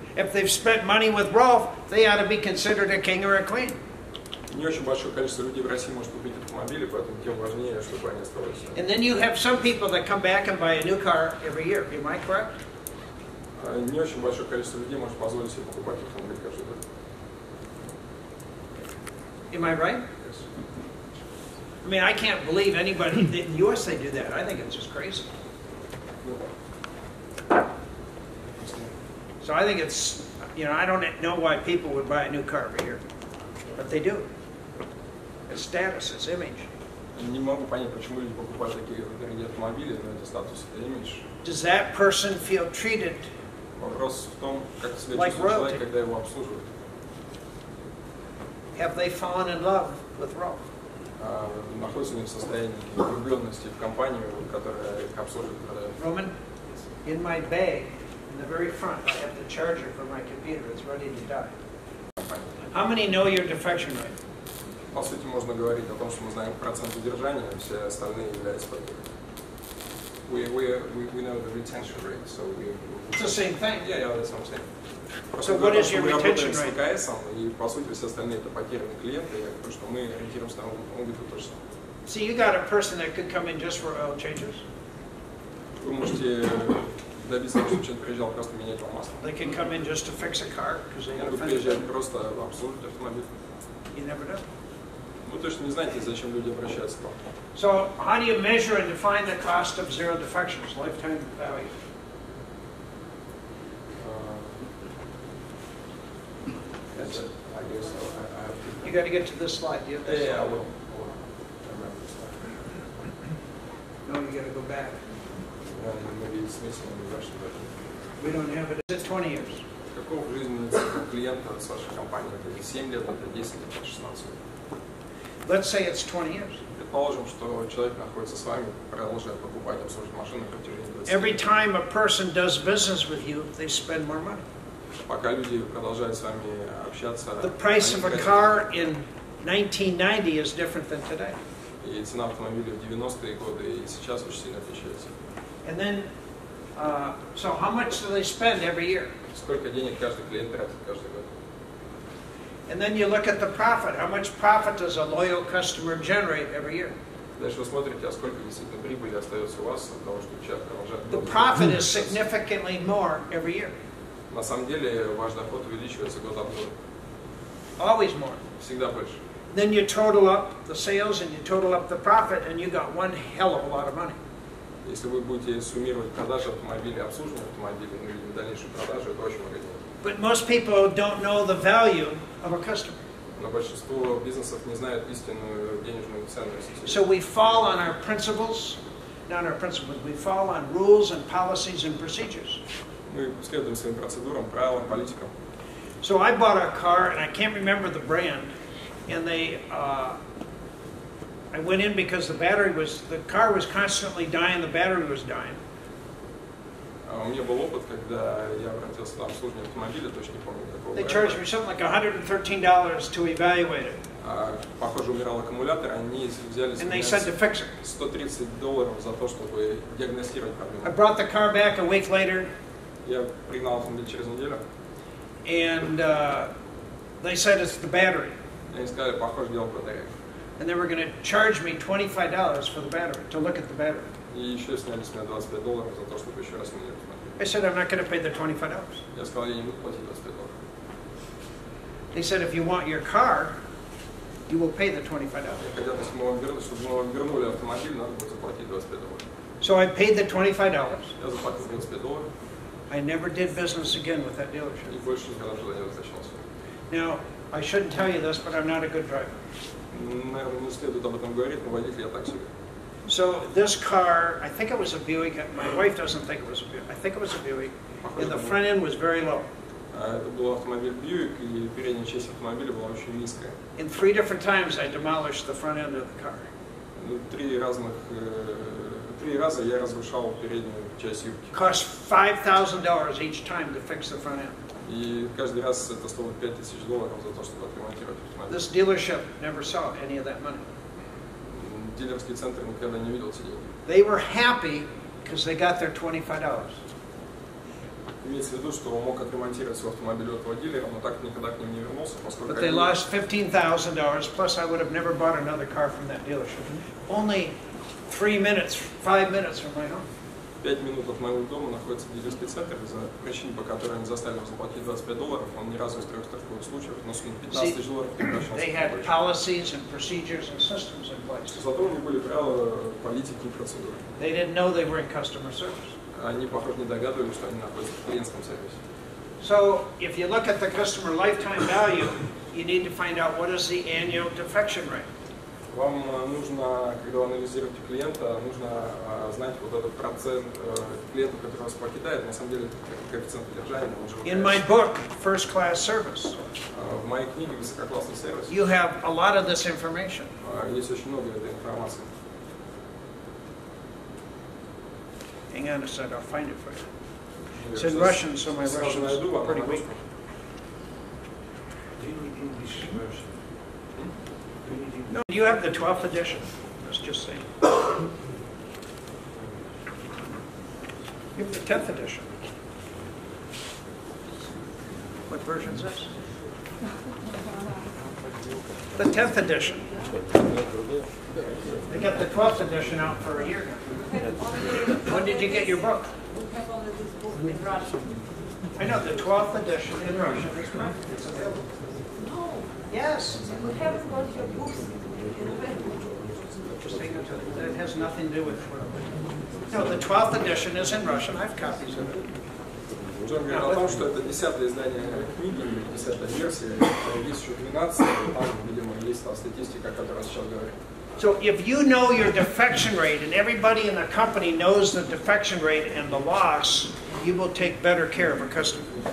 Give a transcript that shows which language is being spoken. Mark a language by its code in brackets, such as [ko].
[en] If they've spent money with Rolf, they ought to be considered a king or a queen. [ru] Не очень большое количество людей в России может купить автомобили, поэтому тем важнее, чтобы они оставались. [en] And then you have some people that come back and buy a new car every year. Am I correct? [ru] Не очень большое количество людей может позволить себе покупать автомобиль каждый год. [en] Am I right? Yes. I mean, I can't believe anybody in the U.S. they do that. I think it's just crazy. So I think it's, you know, I don't know why people would buy a new car over here. But they do. It's status, it's image. [ru] Не могу понять, почему люди покупают такие дорогие автомобили, но это статус, это имидж. [en] Does that person feel treated [ru] вопрос в том, как себя like чувствует человек, когда его обслуживают. [en] Have they fallen in love with Rolf? [ru] Находятся ли они в состоянии влюбленности в компанию, которая их обслуживает? [en] Roman, in my bag, in the very front, I have the charger for my computer. It's ready to die. How many know your defection rate? [ru] По сути, можно говорить о том, что мы знаем процент задержания, все остальные являются потерями. [en] We know the retention rate, so we. It's the same thing. Yeah, that's what I'm saying. So what is your retention rate? [ru] Мы работаем с ЛКСом, и по сути все остальные это потерянные клиенты, потому что мы ориентируемся на аудиторию то же самое. [en] See, you got a person that could come in just for oil changes. [ru] Вы можете добиться, чтобы человек приезжал просто менять вам масло. [en] They can come in just to fix a car because they. [ru] Могут приезжать просто обслужить автомобиль. [en] You never know. [ru] Вы точно не знаете, зачем люди обращаются к вам. [en] So how do you measure and define the cost of zero defections, lifetime value? I guess so. I have to you got to get to this slide. You have this yeah, slide. I will. I remember the slide. No, you got to go back. Maybe it's missing in the Russian version. We don't have it. Is it 20 years? [ru] Какого жизненного клиента с вашей компании? Это 7 лет, это 10 лет, это 16 лет. [en] Let's say it's 20 years. [ru] Предположим, что человек находится с вами, продолжает покупать, обслуживать машины на протяжении 20 лет. [en] Every time a person does business with you, they spend more money. [ru] Пока люди продолжают с вами общаться. [en] The price of a car in 1990 is different than today. [ru] И цена автомобиля в 90-е годы и сейчас очень сильно отличается. [en] And then, so how much do they spend every year? [ru] Сколько денег каждый клиент тратит каждый год? [en] And then you look at the profit. How much profit does a loyal customer generate every year? [ru] Дальше вы смотрите, а сколько действительно прибыли остается у вас от того, что человек продолжает. [en] The profit is significantly more every year. [ru] На самом деле ваш доход увеличивается год от года. [en] Always more. [ru] Всегда больше. [en] Then you total up the sales and you total up the profit and you got one hell of a lot of money. [ru] Если вы будете суммировать продажи автомобилей, обслуживание автомобилей, ну или дальнейшую продажу, это очень много денег. [en] But most people don't know the value of a customer. [ru] Но большинство бизнесов не знают истинную денежную ценность. [en] So we fall on our principles, not our principles. We fall on rules and policies and procedures. [ru] Мы следуем своим процедурам, правилам, политикам. [en] So I bought a car, and I can't remember the brand. And they, I went in because the battery was, the car was constantly dying, the battery was dying. [ru] У меня был опыт, когда я обратился на обслуживание автомобиля, точно не помню какого. [en] They charged me something like $113 to evaluate it. [ru] Похоже, умирал аккумулятор, они взяли [en] and they said to fix it. [ru] $130 за то, чтобы диагностировать проблему. [en] I brought the car back a week later. [ru] Я пригнал автомобиль через неделю. [en] And they said it's the battery. [ru] Они сказали, похоже, дело в батарее. [en] And they were going to charge me $25 for the battery, to look at the battery. [ru] И еще сняли с меня $25 за то, чтобы еще раз менять автомобиль. [en] I said, I'm not going to pay the $25. [ru] Я сказал, я не буду платить $25. [en] They said, if you want your car, you will pay the $25. [ru] Чтобы мы вам вернули автомобиль, надо будет заплатить $25. [en] So I paid the $25. [ru] Я заплатил $25. [en] I never did business again with that dealership. [ru] И больше никогда туда не возвращался. [en] Now, I shouldn't tell you this, but I'm not a good driver. [ru] Наверное, не следует об этом говорить, но водитель я так себе. [en] So this car, I think it was a Buick. My wife doesn't think it was a Buick. I think it was a Buick, and the front end was very low. [ru] Это был автомобиль Buick, и передняя часть автомобиля была очень низкая. [en] In three different times, I demolished the front end of the car. [ru] Три разных три раза я разрушал переднюю часть юбки. [en] Cost $5,000 each time to fix the front end. [ru] И каждый раз это стоило $5,000 за то, чтобы отремонтировать автомобиль. [en] This dealership never saw any of that money. [ru] Дилерский центр никогда не видел эти деньги. [en] They were happy because they got their $25. [ru] Имеется в виду, что он мог отремонтировать свой автомобиль у этого дилера, но так никогда к ним не вернулся, поскольку... [en] But they lost $15,000, plus I would have never bought another car from that dealership. Only 5 minutes from my home. [ru] 5 минут от моего дома находится дилерский центр, за причину, по которой они заставили заплатить $25, он ни разу из трех страховых случаев, но сумму $15 превращался. [en] They had policies and procedures and systems in place. [ru] Зато у них были правила, политики и процедуры. [en] They didn't know they were in customer service. [ru] Они, похоже, не догадывались, что они находятся в клиентском сервисе. [en] So, if you look at the customer lifetime value, you need to find out what is the annual defection rate. [ru] Вам нужно, когда вы анализируете клиента, нужно знать вот этот процент клиента, который вас покидает. На самом деле, коэффициент удержания, он же... [en] In my book, First Class Service, [ru] в моей книге «Высококлассный сервис», [en] you have a lot of this information. [ru] Есть очень много этой информации. [en] Hang on a second, I'll find it for you. It's in Russian, so my Russian is pretty weak. Do you need English version? No, you have the 12th edition. I was just saying. You have the 10th edition. What version is this? The 10th edition. They got the 12th edition out for a year now. When did you get your book? We have all of this book in Russian. I know, the 12th edition in Russian. No. Yes. We haven't got your books in the book. Just hang on to it. That has nothing to do with it. No, the 12th edition is in Russian. I have copies of it. [ru] Джон говорит о том, что это 10-е издание книги, 10-я версия, есть еще 12-я, там, видимо, есть та статистика, которая сейчас говорит. [en] So if you know your defection rate, and everybody in the company knows the defection rate and the loss, you will take better care of a customer.